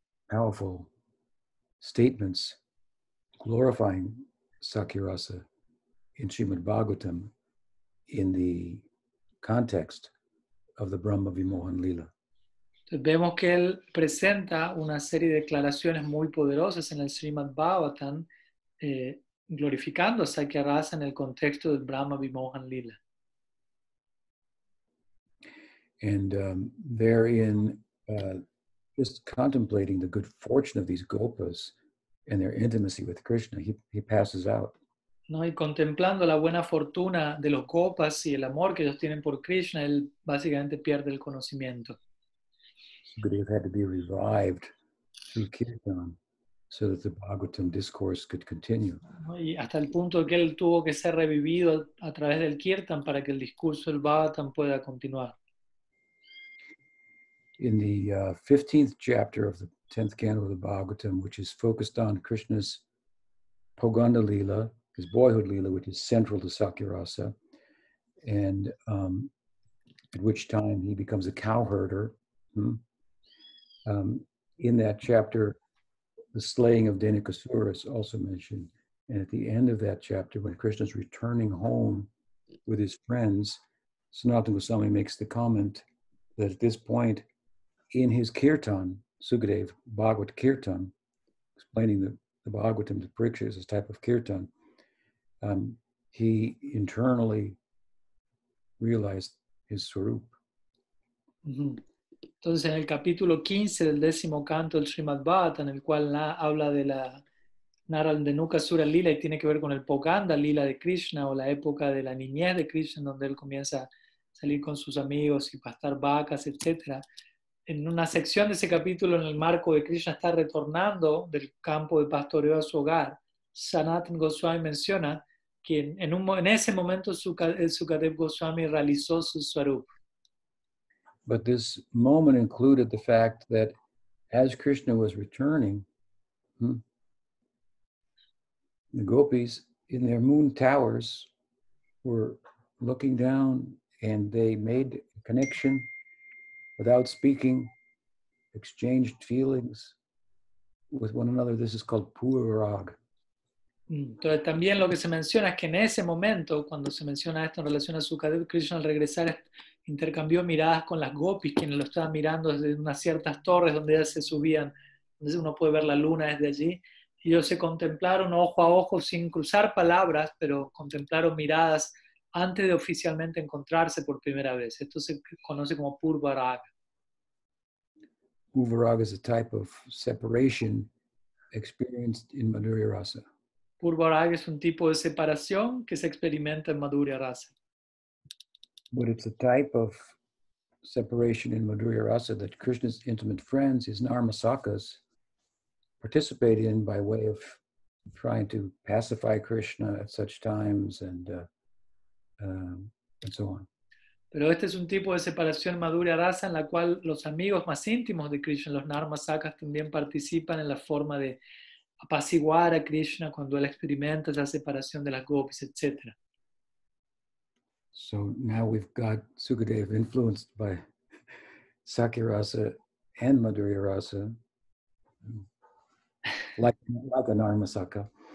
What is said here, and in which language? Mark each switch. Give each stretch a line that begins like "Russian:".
English: powerful statements glorifying Sakirasa in Srimad Bhagavatam in the context of the Brahma Vimohan Lila.
Spanish: Entonces vemos que él presenta una serie de declaraciones muy poderosas en el Srimad Bhagavatam, glorificando a Sakirasa en el contexto del Brahma Vimohan Lila.
English: And therein, just contemplating the good fortune of these gopas and their intimacy with Krishna, he passes out.
Spanish: No, y contemplando la buena fortuna de los gopas y el amor que ellos tienen por Krishna, él básicamente pierde el conocimiento.
English: Sukadeva had to be revived through Kirtan so that the Bhagavatam discourse could continue.
Spanish: No, y hasta el punto que él tuvo que ser revivido a través del Kirtan para que el discurso del Bhagavatam pueda continuar.
English: In the 15th chapter of the 10th canto of the Bhagavatam, which is focused on Krishna's Pogonda Lila, his boyhood Lila, which is central to Sakirasa, and at which time he becomes a cowherder. In that chapter, the slaying of Dhenukasura is also mentioned. And at the end of that chapter, when Krishna's returning home with his friends, Sanatana Goswami makes the comment that at this point, in his kirtan, Sukadev, Bhagavat kirtan, explaining the Bhagavatam to Pariksha as a type of kirtan, he internally realized his swarup. Mm-hmm.
Spanish: Entonces, en el capítulo 15 del décimo canto del Srimad Bhagavatam, en el cual habla de la Naraldenukasura Lila y tiene que ver con el Poganda Lila de Krishna o la época de la niñez de Krishna, donde él comienza a salir con sus amigos y pastar vacas, etc. En una sección de ese capítulo, en el marco de Krishna está retornando del campo de pastoreo a su hogar, Sanatana Goswami menciona que en ese momento Sukadev Goswami realizó su swarup.
English: But this moment included the fact that as Krishna was returning, the gopis in their moon towers were looking down and they made a connection without speaking, exchanged feelings with one another. This is called Purarag.
Spanish: Entonces también lo que se menciona es que en ese momento, cuando se menciona esto en relación a Sukadev, Krishna al regresar intercambió miradas con las gopis, quienes lo estaban mirando desde unas ciertas torres donde ellas se subían, donde uno puede ver la luna desde allí. Ellos se contemplaron ojo a ojo sin cruzar palabras, pero contemplaron miradas antes de oficialmente encontrarse por primera vez. Esto se conoce como Purvarag.
English: Purvarag is a type of separation experienced in Madhurya Rasa.
Spanish: Purvarag es un tipo de separación que se experimenta en Madhurya Rasa.
English: But it's a type of separation in Madhurya Rasa that Krishna's intimate friends, his Narmasakas, participate in by way of trying to pacify Krishna at such times and so on.
Spanish: Pero este es un tipo de separación Madhurya Rasa en la cual los amigos más íntimos de Krishna, los Narmasakas, también participan en la forma de apaciguar a Krishna cuando él experimenta esa separación de las gopis, etc.
English: So now we've got Sukadeva influenced by Sakirasa and Madhurya Rasa, like an Narmasaka.